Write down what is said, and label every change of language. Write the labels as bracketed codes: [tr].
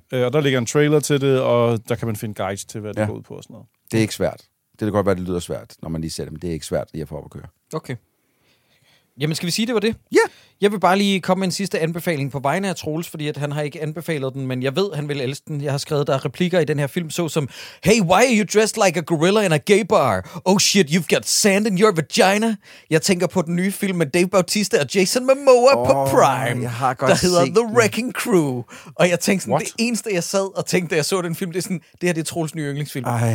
[da] Ja, og der ligger en trailer til det, og der kan man finde guides til, hvad det går ud på og sådan noget. Det er ikke svært. Det kan godt være, det lyder svært, når man lige ser det, men det er ikke svært lige at få op at køre. Okay. Jamen, skal vi sige, det var det? Ja! Yeah. Jeg vil bare lige komme med en sidste anbefaling på vegne af Troels, fordi at han har ikke anbefalet den, men jeg ved, han vil elske den. Jeg har skrevet der replikker i den her film, så som [en] "Hey, why are you dressed like a gorilla in a gay bar? Oh shit, you've got sand in your vagina." [da] Jeg tænker på den nye film med Dave Bautista og Jason Momoa på Prime, der hedder The Wrecking Crew. Og jeg tænkte sådan, det eneste, jeg sad og tænkte, da jeg så den film, det er sådan, det her det er Troels nye yndlingsfilm.